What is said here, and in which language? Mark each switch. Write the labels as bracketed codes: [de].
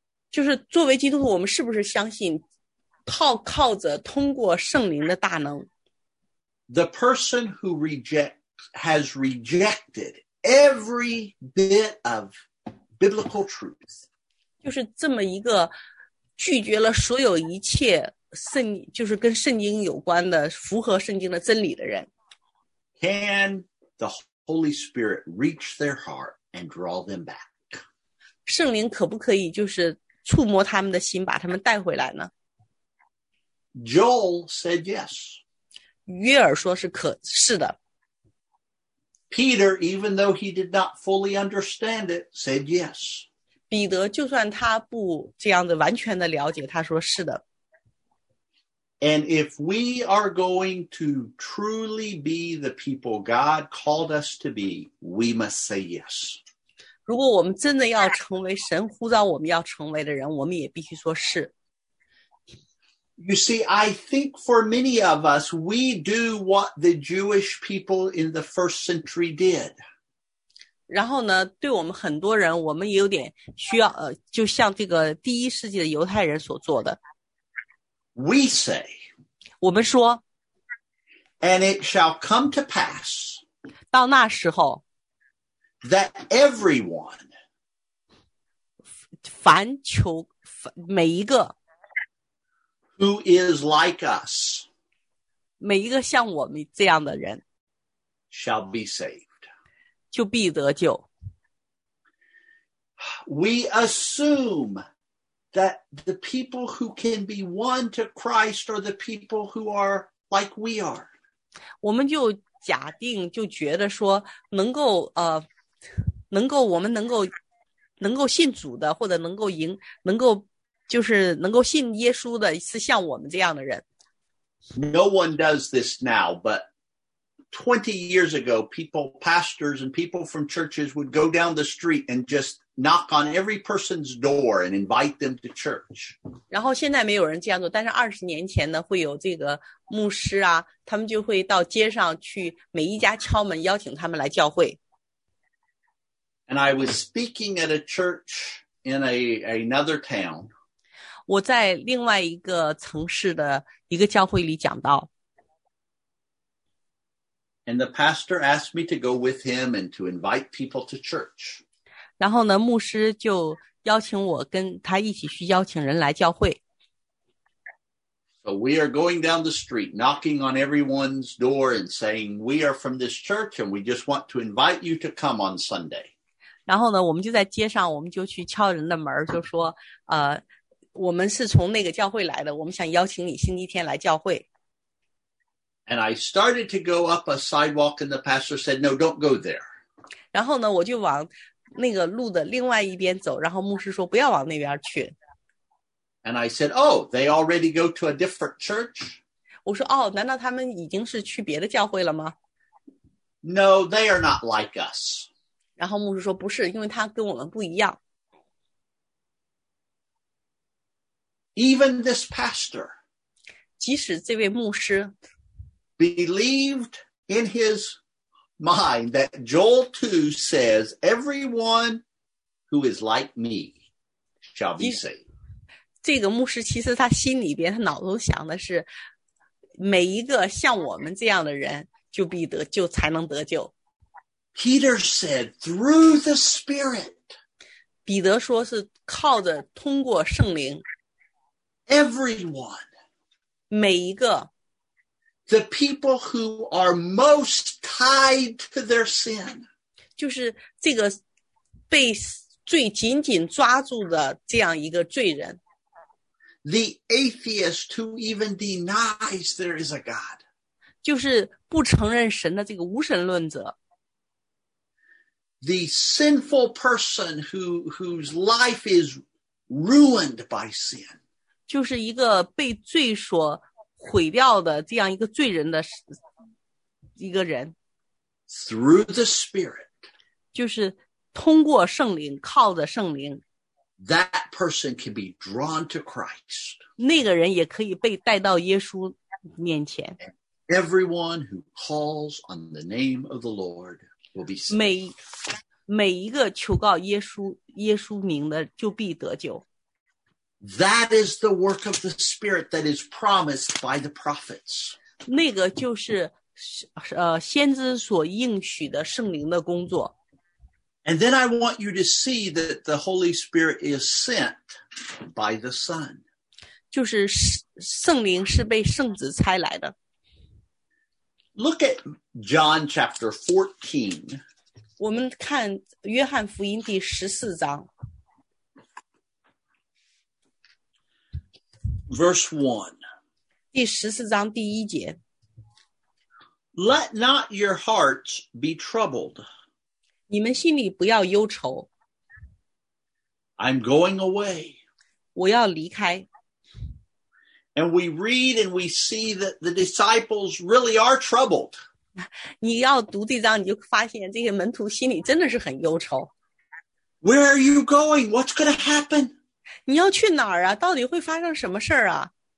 [zh] 就是作为基督徒，我们是不是相信靠着通过圣灵的大能？ [en] The person who has rejected every bit of biblical truth. [zh] 就是这么一个拒绝了所有一切圣，就是跟圣经有关的，符合圣经的真理的人。 [en] Can the Holy Spirit reach their heart and draw them back? [zh] 圣灵可不可以就是触摸他们的心，把他们带回来呢？ [en] Joel said yes. [zh] 约珥说是可是的。 [en] Peter, even though he did not fully understand it, said yes. [zh] 彼得就算他不这样子完全的了解，他说是的。 [en] And if we are going to truly be the people God called us to be, we must say yes. [zh] 如果我们真的要成为神呼召我们要成为的人，我们也必须说是。 [en] You see, I think for many of us, we do what the Jewish people in the first century did. [zh] 然后呢，对我们很多人，我们也有点需要，就像这个第一世纪的犹太人所做的。 [en] We say, [zh] 我们说， [en] and it shall come to pass, [zh] 到那时候， [en] that everyone, [zh] 凡求，每一个 [en] Who is like us? [zh] 每一个像我们这样的人 [en] shall be saved. [zh] 就必得救。 [en] We assume that the people who can be won to Christ are the people who are like we are. [zh] 我们就假定就觉得说能够能够我们能够能够信主的或者能够赢能够就是能够信耶稣的是像我们这样的人。 [en] No one does this now, but 20 years ago, people, pastors and people from churches would go down the street and just knock on every person's door and invite them to church. [zh] 然后现在没有人这样做，但是二十年前呢，会有这个牧师啊，他们就会到街上去每一家敲门，邀请他们来教会。 [en] And I was speaking at a church in another town. [zh] 我在另外一个城市的一个教会里讲到。 [en] And the pastor asked me to go with him and to invite people to church. [zh] 然后呢，牧师就邀请我跟他一起去邀请人来教会。 [en] So we are going down the street, knocking on everyone's door and saying, we are from this church and we just want to invite you to come on Sunday. [zh] 然后呢，我们就在街上，我们就去敲人的门，就说，我们是从那个教会来的，我们想邀请你星期天来教会。 [en] And I started to go up a sidewalk and the pastor said, no, don't go there. [zh] 然后呢，我就往那个路的另外一边走，然后牧师说不要往那边去。 [en] And I said, oh, they already go to a different church? [zh] 我说，哦，难道他们已经是去别的教会了吗？ [en] No, they are not like us. [zh] 然后牧师说不是，因为他跟我们不一样。 [en] Even this pastor, [zh] 即使这位牧师 [en] believed in his mind that Joel 2 says, everyone who is like me shall be saved. [zh] 这个牧师其实他心里边他脑中想的是每一个像我们这样的人就必得就才能得救。 [en] Peter said, through the Spirit. [zh] 彼得说是靠着通过圣灵。 [en] Everyone, [zh] 每一个 [en] the people who are most tied to their sin, [zh] 就是这个被最紧紧抓住的这样一个罪人 [en] the atheist who even denies there is a God, [zh] 就是不承认神的这个无神论者 [en] the sinful person whose life is ruined by sin. [zh] 就是一个被罪所毁掉的这样一个罪人的一个人 [en] through the spirit [zh] 就是通过圣灵靠着圣灵 [en] that person can be drawn to Christ [zh] 那个人也可以被带到耶稣面前 [en] everyone who calls on the name of the Lord will be saved [zh] 每一个求告耶稣名的就必得救。 [en] That is the work of the Spirit that is promised by the prophets. [zh] 那个就是先知所应许的圣灵的工作。 [en] And then I want you to see that the Holy Spirit is sent by the Son. [zh] 就是圣灵是被圣子差来的。 [en] Look at John chapter 14. [zh] 我们看约翰福音第十四章。 [en] Verse 1. [zh] 第十四章第一节。 [en] Let not your hearts be troubled. [zh] 你们心里不要忧愁。 [en] I'm going away. [zh] 我要离开。 [en] And we read and we see that the disciples really are troubled. [zh] 你要读这章，你就发现这些门徒心里真的是很忧愁。 [en] Where are you going? What's going to happen? [zh] 你要去哪儿啊？到底会发生什么事儿啊